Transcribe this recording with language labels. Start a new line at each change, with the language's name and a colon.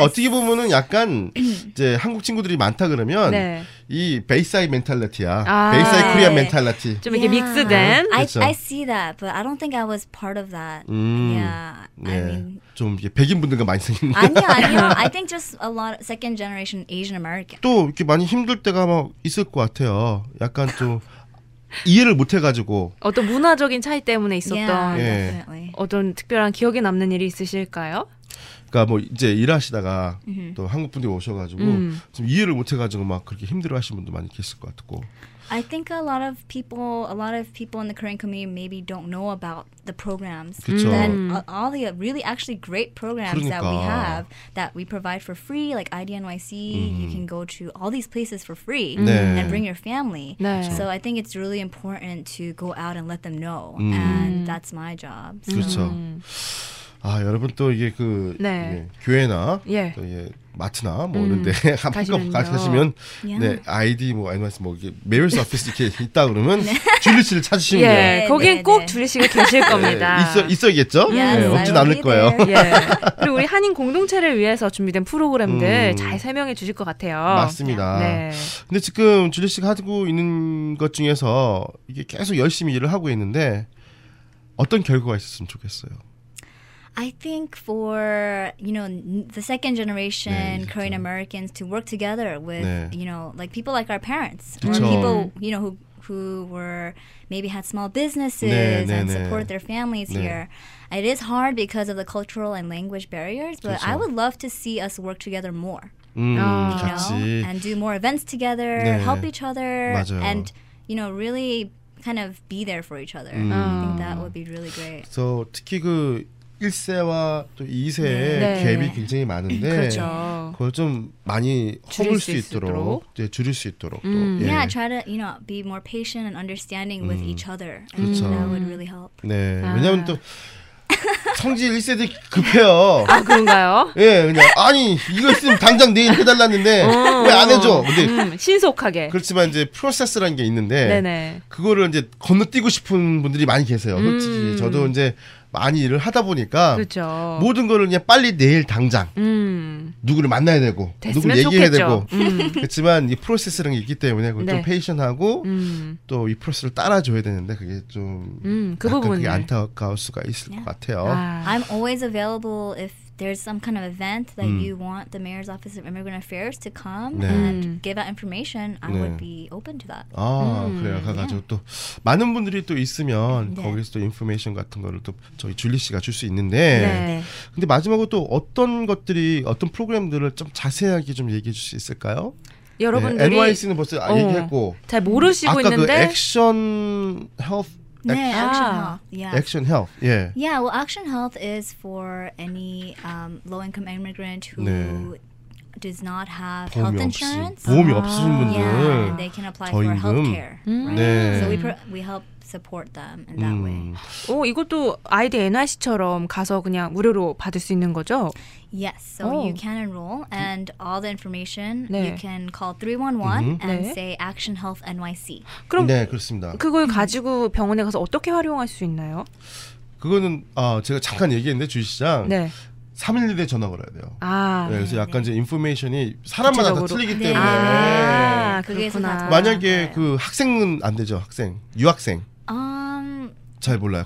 Korean: 어떻게 보면은 약간 이제 한국 친구들이 많다 그러면 네. 이 베이사이 멘탈리티야. 아, 베이사이 네. 코리안 멘탈리티. 좀 이렇게 믹스된.
English: I see that, but I don't think I was part of that. Yeah.
Korean: 네.
English: I mean,
Korean: 좀 이게 백인 분들과 많이 생긴. 아니요, 아니요.
English: I think just a lot of second generation Asian American.
Korean: 또 이렇게 많이 힘들 때가 막 있을 것 같아요. 약간 또 이해를 못해가지고 어떤 문화적인 차이 때문에 있었던
English: yeah,
Korean: 예. 어떤 특별한 기억에 남는 일이 있으실까요? 그러니까 뭐 이제 일하시다가 또 한국 분들이 오셔가지고 좀 이해를 못해가지고 막 그렇게 힘들어하시는 분도 많이 계실 것 같고
English: I think a lot of people in the Korean community maybe don't know about the programs.
Korean: 그쵸.
English: Then all the really actually great programs
Korean: 그러니까.
English: That we have that we provide for free, like IDNYC, you can go to all these places for free
Korean: 네.
English: and bring your family.
Korean: 네.
English: So I think it's really important to go out and let them know. And that's my job. So.
Korean: 그렇죠. 아 여러분 또 이게 그 네. 예, 교회나 예. 또 이게 마트나 뭐 이런 데 한번 가시면 네 아이디 뭐 아니면 뭐 이게 메일스 오피스 이렇게 있다 그러면 줄리 씨를 찾으시면 예, 거긴 네, 꼭 줄리 네. 씨가 계실 겁니다. 네, 있어야겠죠? 예, 네, 없진 않을 거예요. 예. 그리고 우리 한인 공동체를 위해서 준비된 프로그램들 잘 설명해 주실 것 같아요. 맞습니다. 네. 근데 지금 줄리 씨가 하고 있는 것 중에서 이게 계속 열심히 일을 하고 있는데 어떤 결과가 있었으면 좋겠어요.
English: I think for, you know, the second generation
Korean: 네,
English: Korean Americans to work together with,
Korean: 네.
English: you know, like people like our parents.
Korean: 그쵸.
English: Or people, you know, who were, maybe had small businesses and support
Korean: 네.
English: their families 네. here. It is hard because of the cultural and language barriers, but
Korean: 그쵸.
English: I would love to see us work together more. You
Korean: 같이.
English: know, and do more events together,
Korean: 네.
English: help each other,
Korean: 맞아요.
English: and, you know, really kind of be there for each other. I think that would be really great.
Korean: So, 특히 그 1세와 또 2세의 네. 갭이 굉장히 많은데 그렇죠. 그걸 좀 많이 허물 수 있도록 네, 줄일 수 있도록 또.
English: Yeah, try to, you know, be more patient and understanding with each other. And
Korean: 그렇죠.
English: that would really help.
Korean: 네. 아. 왜냐면 또 성질 1세들 급해요. 아, 그런가요? 예, 네, 그냥 아니, 이거 있으면 당장 내일 해 달랐는데 왜 안 해 줘? 근데 신속하게. 그렇지만 이제 프로세스라는 게 있는데 네네. 그거를 이제 건너뛰고 싶은 분들이 많이 계세요. 솔직히 저도 이제 많이 일을 하다 보니까 그렇죠. 모든 걸 그냥 빨리 내일 당장 누구를 만나야 되고 누구를 얘기해야 되고 그렇지만 이 프로세스라는 게 있기 때문에 네. 좀 페이션하고 또 이 프로세스를 따라줘야 되는데 그게 좀 그 부분이 안타까울 수가 있을
English: yeah.
Korean: 것 같아요. 아.
English: I'm always available if there's some kind of event that you want the Mayor's Office of Immigrant Affairs to come
Korean: 네.
English: and give out information, I 네. would be open to that.
Korean: 아, 그래요. 가지고 또 많은 분들이 또 있으면 네. 거기서 또 인포메이션 같은 거를 또 저희 줄리 씨가 줄 수 있는데 네. 근데 마지막으로 또 어떤 것들이 어떤 프로그램들을 좀 자세하게 좀 얘기해 줄 수 있을까요? 여러분들이 네, NYC는 벌써 얘기했고 잘 모르시고 아까 있는데 아까 그 액션 헬스
English: Action Health. Yeah. Action Health. Yeah. Yeah. Well, Action Health is for any low-income immigrant who
Korean: 네.
English: does not have
Korean: 보험이
English: health insurance.
Korean: 보험이 없으신 분들.
English: Yeah, and they can apply
Korean: 저임금.
English: for healthcare. Right?
Korean: 네.
English: So we help support them in that way.
Korean: 오, 이것도 IDNYC처럼 가서 그냥 무료로 받을 수 있는 거죠?
English: Yes. So
Korean: 오.
English: you can enroll, and all the information
Korean: 네.
English: you can call 311 and say Action Health NYC.
Korean: 그럼 네, 그렇습니다. 그걸 가지고 병원에 가서 어떻게 활용할 수 있나요? 그거는 제가 잠깐 얘기했는데 주의시장. 네. 311에 전화 걸어야 돼요. 아, 네, 그래서 네, 약간 네. 이제 인포메이션이 사람마다 다 틀리기 네. 때문에 아, 네. 그렇구나. 만약에 그 학생은 안 되죠. 학생, 유학생. 잘 몰라요.